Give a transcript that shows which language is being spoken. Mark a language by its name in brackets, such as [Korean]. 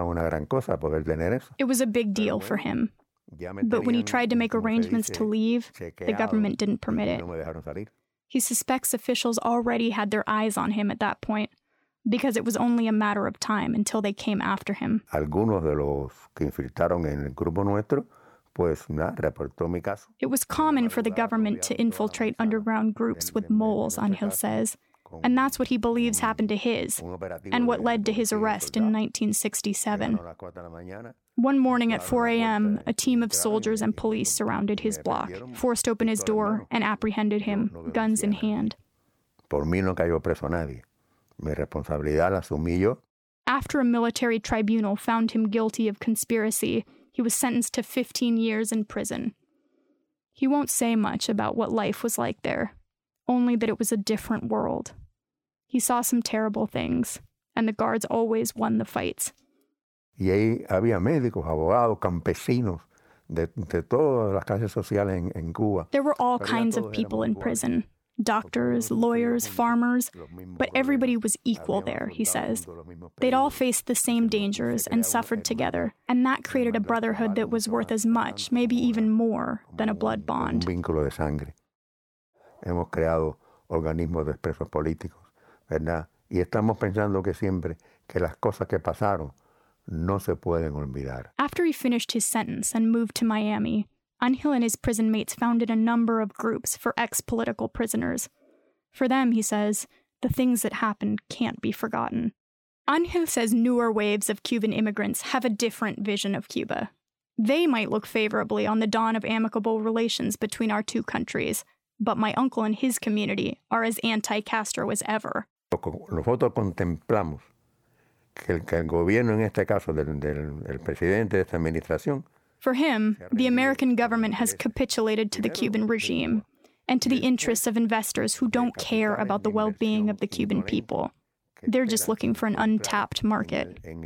[English] It was a big deal for him. But when he tried to make arrangements to leave, the government didn't permit it. He suspects officials already had their eyes on him at that point, because it was only a matter of time until they came after him. [Spanish] Algunos de los que infiltraron en el grupo nuestro, [English] it was common for the government to infiltrate underground groups with moles, Angel says, and that's what he believes happened to his and what led to his arrest in 1967. One morning at 4 a.m., a team of soldiers and police surrounded his block, forced open his door, and apprehended him, guns in hand. After a military tribunal found him guilty of conspiracy, he was sentenced to 15 years in prison. He won't say much about what life was like there, only that it was a different world. He saw some terrible things, and the guards always won the fights. [Spanish] Y ahí había médicos, abogados, campesinos, de todas las clases sociales en Cuba. [English] There were all kinds of people in prison. Doctors, lawyers, farmers, but everybody was equal there, he says. They'd all faced the same dangers and suffered together, and that created a brotherhood that was worth as much, maybe even more, than a blood bond. [Spanish] Un vínculo de sangre. Hemos creado organismos de expresos políticos, ¿verdad? Y estamos pensando que siempre que las cosas que pasaron no se pueden olvidar. [English] After he finished his sentence and moved to Miami, Angel and his prison mates founded a number of groups for ex-political prisoners. For them, he says, the things that happened can't be forgotten. Angel says newer waves of Cuban immigrants have a different vision of Cuba. They might look favorably on the dawn of amicable relations between our two countries, but my uncle and his community are as anti-Castro as ever. [Spanish] Nosotros contemplamos que el gobierno, en este caso, del presidente de esta administración. [English] For him, the American government has capitulated to the Cuban regime and to the interests of investors who don't care about the well-being of the Cuban people. They're just looking for an untapped market.